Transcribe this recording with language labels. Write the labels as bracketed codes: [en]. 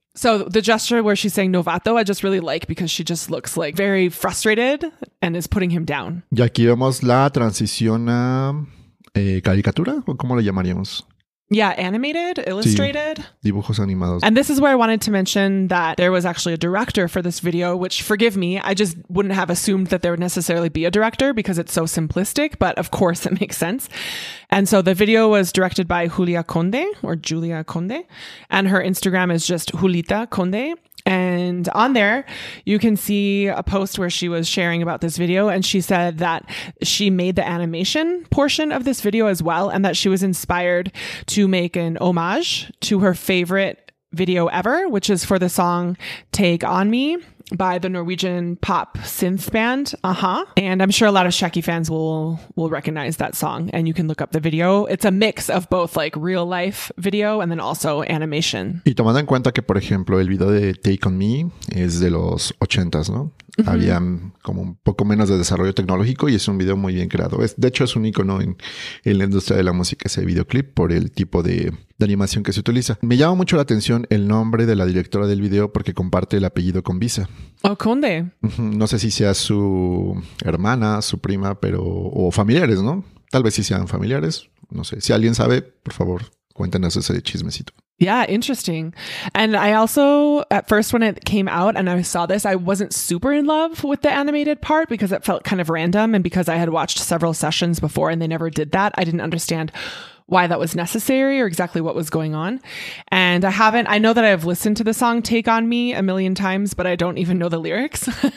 [en] So the gesture where she's saying novato, I just really like because she just looks like very frustrated and is putting him down. [es] Y aquí vemos la transición a caricatura, ¿o cómo le llamaríamos? [en] Yeah, animated, illustrated. [es] Sí, dibujos animados. [en] And this is where I wanted to mention that there was actually a director for this video, which, forgive me, I just wouldn't have assumed that there would necessarily be a director because it's so simplistic, but of course it makes sense. And so the video was directed by Julia Conde, and her Instagram is just Julita Conde. And on there, you can see a post where she was sharing about this video. And she said that she made the animation portion of this video as well, and that she was inspired to make an homage to her favorite video ever, which is for the song Take On Me by the Norwegian pop synth band. Uh-huh. And I'm sure a lot of Shaki fans will recognize that song. And you can look up the video. It's a mix of both like real life video and then also animation. [es] Y tomando en cuenta que, por ejemplo, el video de Take On Me es de los 80s, ¿no? Mm-hmm. Había como un poco menos de desarrollo tecnológico y es un video muy bien creado. De hecho, es un icono en la industria de la música ese videoclip por el tipo de animación que se utiliza. Me llama mucho la atención el nombre de la directora del video porque comparte el apellido con Visa. Oh, Conde. No sé si sea su hermana, su prima, pero o familiares, ¿no? Tal vez sí sean familiares. No sé. Si alguien sabe, por favor, cuéntenos ese chismecito. [en] Yeah, interesting. And I also, at first when it came out and I saw this, I wasn't super in love with the animated part because it felt kind of random. And because I had watched several sessions before and they never did that, I didn't understand why that was necessary or exactly what was going on. And I know that I've listened to the song Take On Me a million times, but I don't even know the lyrics.